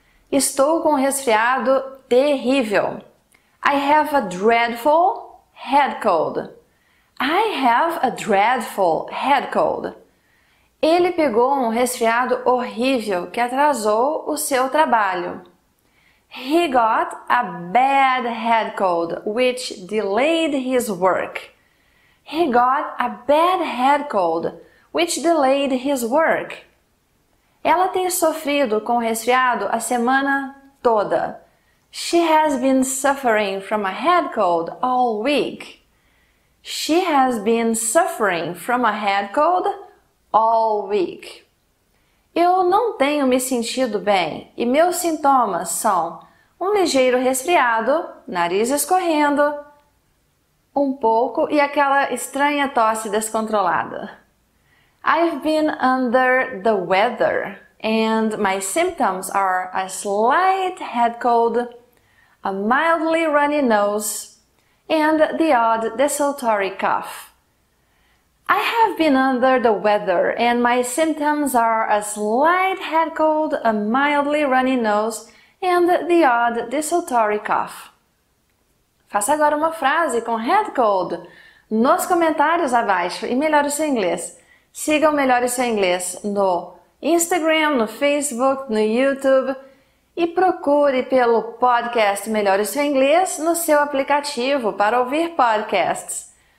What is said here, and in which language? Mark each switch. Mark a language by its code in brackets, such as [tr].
[pt] Estou com um resfriado terrível. [en] I have a dreadful head cold. I have a dreadful head cold. [pt] Ele pegou um resfriado horrível que atrasou o seu trabalho. [en] He got a bad head cold, which delayed his work. He got a bad head cold, which delayed his work. [pt] Ela tem sofrido com resfriado a semana toda. [en] She has been suffering from a head cold all week. She has been suffering from a head cold all week. [pt] Eu não tenho me sentido bem e meus sintomas são um ligeiro resfriado, nariz escorrendo, um pouco e aquela estranha tosse descontrolada. [en] I've been under the weather and my symptoms are a slight head cold, a mildly runny nose, and the odd desultory cough. I have been under the weather and my symptoms are a slight head cold, a mildly runny nose, and the odd desultory cough. [pt] Faça agora uma frase com head cold nos comentários abaixo e melhore o seu inglês. Siga o Melhore Seu Inglês no Instagram, no Facebook, no YouTube e procure pelo podcast Melhore Seu Inglês no seu aplicativo para ouvir podcasts.